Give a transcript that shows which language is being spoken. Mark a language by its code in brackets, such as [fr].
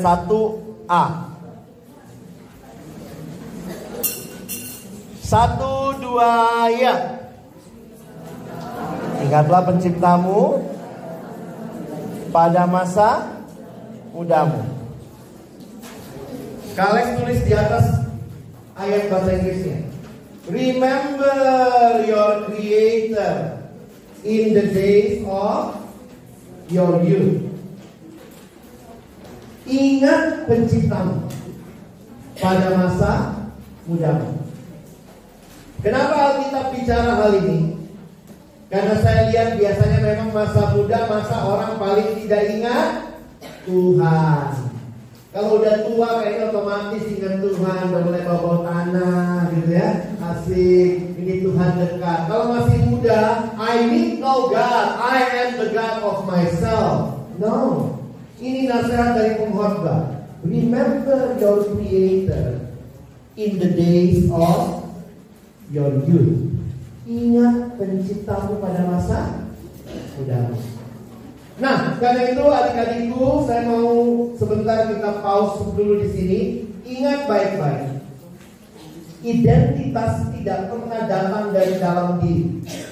[id] 1, 2 ya. Ingatlah penciptamu pada masa mudamu. Kalian tulis di atas ayat bahasa Inggrisnya. [en] Remember your creator in the days of your youth. [id] Ingat penciptamu pada masa mudamu. Kenapa Alkitab bicara hal ini? Karena saya lihat biasanya memang masa muda, masa orang paling tidak ingat Tuhan. Kalau udah tua kayaknya otomatis ingat Tuhan, udah mulai bawa tanah gitu ya, asik, ini Tuhan dekat. Kalau masih muda, [en] I need no God, I am the God of myself. [id] No, ini nasihat dari pengkhotbah. [en] Remember your creator in the days of your youth. [id] Ingat penciptamu pada masa muda. Nah, karena itu adik-adikku, saya mau sebentar kita pause dulu di sini. Ingat baik-baik, identitas tidak pernah datang dari dalam diri.